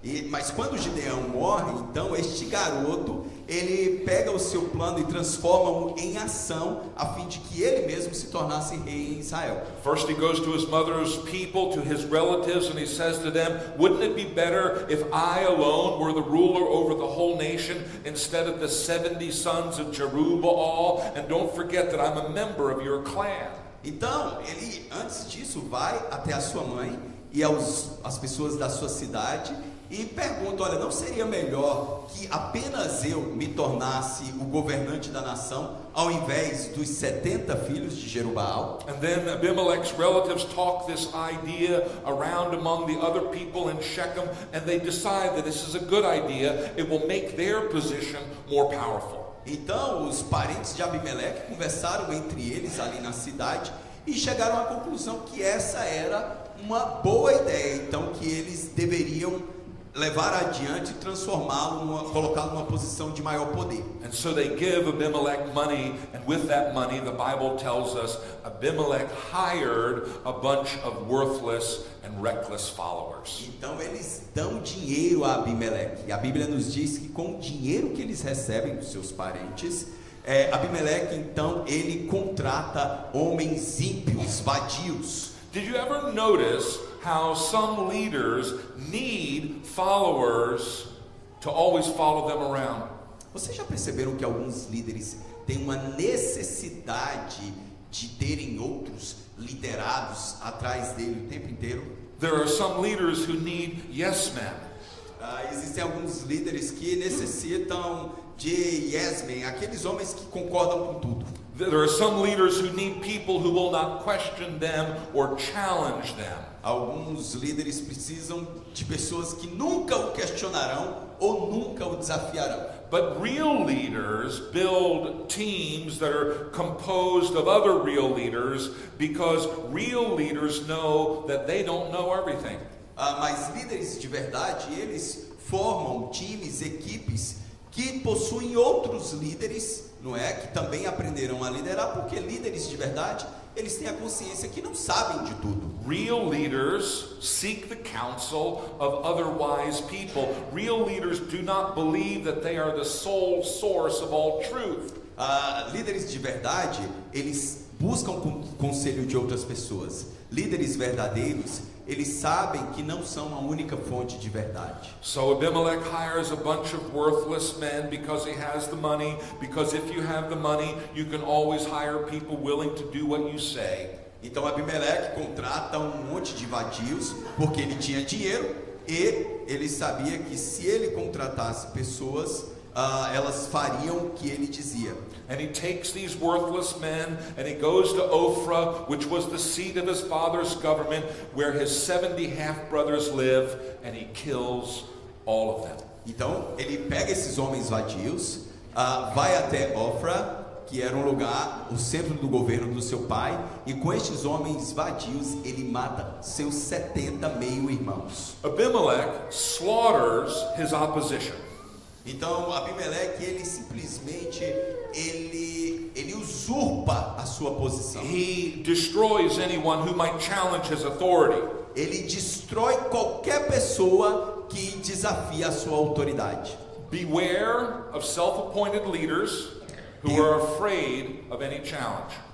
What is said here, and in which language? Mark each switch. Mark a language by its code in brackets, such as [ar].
[pt] Mas quando Gideão morre, então este garoto, ele pega o seu plano e transforma-o em ação a fim de que ele mesmo se tornasse rei em Israel. [en] First he goes to his mother's people, to his relatives, and he says to them, wouldn't it be better if I alone were the ruler over the whole nation instead of the 70 sons of Jerubbaal? And don't forget that I'm a member of your clan. [pt] Então, ele antes disso vai até a sua mãe e às pessoas da sua cidade e pergunta, olha, não seria melhor que apenas eu me tornasse o governante da nação ao invés dos 70 filhos de Jerubbaal? [en] And then Abimelech's relatives talk this idea around among the other people in Shechem, and they decide that this is a good idea. It will make their position more powerful. [pt] Então os parentes de Abimelech conversaram entre eles ali na cidade e chegaram à conclusão que essa era uma boa ideia, então que eles deveriam levar adiante e transformá-lo, colocá-lo numa posição de maior poder. [en] And so they give Abimelech money, and with that money, the Bible tells us Abimelech hired a bunch of worthless and reckless followers. [pt] Então eles dão dinheiro a Abimelech, e a Bíblia nos diz que com o dinheiro que eles recebem dos seus parentes, Abimelech então ele contrata homens ímpios, vadios. [en] Did you ever notice how some leaders need followers to always follow them around? [pt] Vocês já perceberam que alguns líderes têm uma necessidade de terem outros liderados atrás dele o tempo inteiro? [en] There are some leaders who need yes men. [pt] Existem alguns líderes que necessitam de [en] yes men, [pt] aqueles homens que concordam com tudo. [en] There are some leaders who need people who will not question them or challenge them. [pt] Alguns líderes precisam de pessoas que nunca o questionarão ou nunca o desafiarão. [en] But real leaders build teams that are composed of other real leaders because real leaders know that they don't know everything. [pt] Mas líderes de verdade, eles formam times, equipes que possuem outros líderes, não é? Que também aprenderão a liderar, porque líderes de verdade, eles têm a consciência que não sabem de tudo. [en] Real leaders seek the counsel of other wise people. Real leaders do not believe that they are the sole source of all truth. [pt] Líderes de verdade, eles buscam conselho de outras pessoas. Líderes verdadeiros, eles sabem que não são a única fonte de verdade. [en] So Abimelech hires a bunch of worthless men because he has the money, because if you have the money, you can always hire people willing to do what you say. [pt] Então Abimeleque contrata um monte de vadios porque ele tinha dinheiro e ele sabia que se ele contratasse pessoas, elas fariam o que ele dizia. [en] And he takes these worthless men and he goes to Ophrah, which was the seat of his father's government, where his 70 half-brothers live, and he kills all of them. [pt] Então ele pega esses homens vadios, vai até Ophrah, que era um lugar, o centro do governo do seu pai, e com estes homens vadios ele mata seus 70 meio-irmãos. [en] Abimelech slaughters his opposition. [pt] Então Abimeleque, ele simplesmente ele usurpa a sua posição. [en] He destroys anyone who might challenge his authority. [pt] Ele destrói qualquer pessoa que desafia a sua autoridade. [en] Beware of self-appointed leaders who are afraid of any challenge.